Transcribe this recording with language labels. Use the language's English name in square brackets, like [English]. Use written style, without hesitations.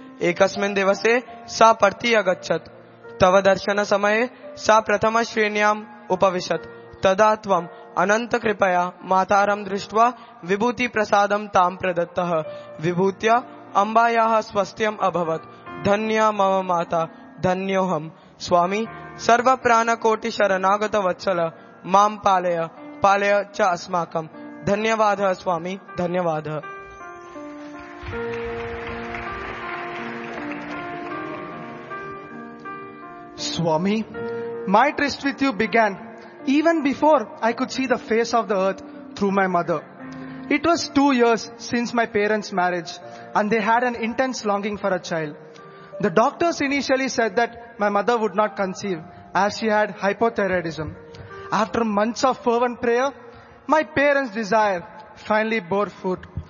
[Sanskrit] एकस्मिन् दिवसे सा प्रत्यागच्छत्। तव दर्शनसमये सा प्रथमश्रेण्याम् उपविशत्। तदा त्वम् अनंत कृपया मातारं दृष्ट्वा विभूतिप्रसादं तां प्रदत्तः। विभूत्या अम्बायाः स्वस्थ्यम् अभवत्। धन्या मम माता, धन्योऽहम्। स्वामी, सर्वप्राणकोटि शरणागत वत्सल, मां पालय, पालय च अस्माकम्। धन्यवादः स्वामी, धन्यवादः। [English] स्वामी, my trust with you began even before I could see the face of the earth through my mother. It was 2 years since my parents' marriage and they had an intense longing for a child. The doctors initially said that my mother would not conceive as she had hypothyroidism. After months of fervent prayer, my parents' desire finally bore fruit.